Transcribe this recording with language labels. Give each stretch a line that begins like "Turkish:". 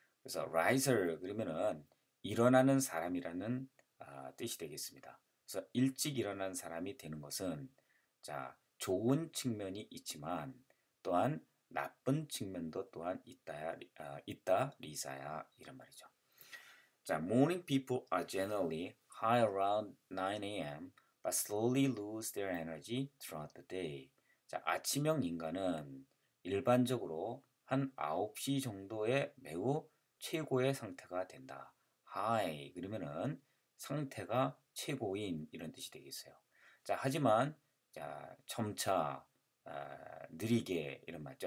Korean: 그래서 riser 그러면은 일어나는 사람이라는 뜻이 되겠습니다. 그래서 일찍 일어난 사람이 되는 것은 자, 좋은 측면이 있지만 또한 나쁜 측면도 또한 있다, 리사야 이런 말이죠.
English: 자, morning people are generally high around 9 a.m. but slowly lose their energy throughout the day.
Korean: 자, 아침형 인간은 일반적으로 한 9시 정도에 매우 최고의 상태가 된다. high 그러면은 상태가 최고인 이런 뜻이 되겠어요. 자, 하지만 자, 점차 느리게 이런 말이죠.